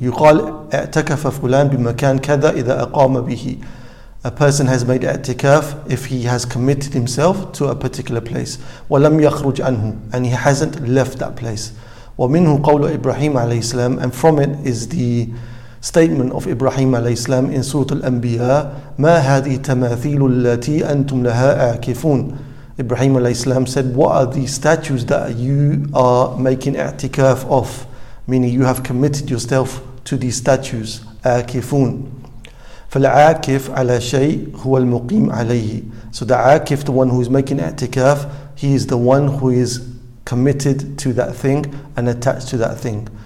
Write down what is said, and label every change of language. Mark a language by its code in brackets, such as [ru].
[ar] Yuqal i'takafa fulan bimakan kadha idha aqama bihi. [en] A person has made i'tikaf if he has committed himself to a particular place. [ar] وَلَمْ يَخْرُجْ عَنْهُ, [en] and he hasn't left that place. [ar] وَمِنْهُ قَوْلُ إِبْرَاهِيمَ عَلَيْهِ السَّلَامُ, [en] and from it is the statement of Ibrahim عليه السلام in Surah Al-Anbiya, [ar] مَا هَذِي تَمَاثِيلُ الَّتِي أَنْتُمْ لَهَا أَعْكِفُونَ. [en] Ibrahim عليه السلام said, what are these statues that you are making i'tikaf of? Meaning you have committed yourself to these statues. [ar] أَعْكِفُونَ. فَالْعَاكِفْ عَلَى شَيْءٍ هُوَ الْمُقِيمْ عَلَيْهِ. [en] So the Aakif, the one who is making i'tikaf, he is the one who is committed to that thing and attached to that thing.